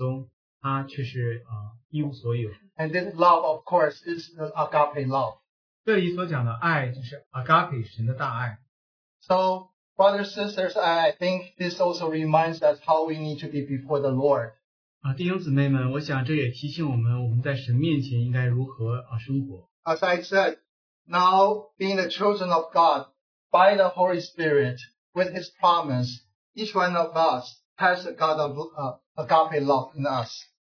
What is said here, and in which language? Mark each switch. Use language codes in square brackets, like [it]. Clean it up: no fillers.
[zh] 如果有人很有知识，然后却没有爱，根据圣经，在神的眼中，他却是一无所有。 [en] And this love, of course, is the agape love. [zh] 这里所讲的爱就是 agape, 神的大爱。 [en] So, brothers and sisters, I think this also reminds us how we need to be before the Lord. [zh] 弟兄姊妹们，我想这也提醒我们，我们在神面前应该如何生活。 [en] As I said, now being the children of God by the Holy Spirit with His promise, each one of us has a God of agape love in us.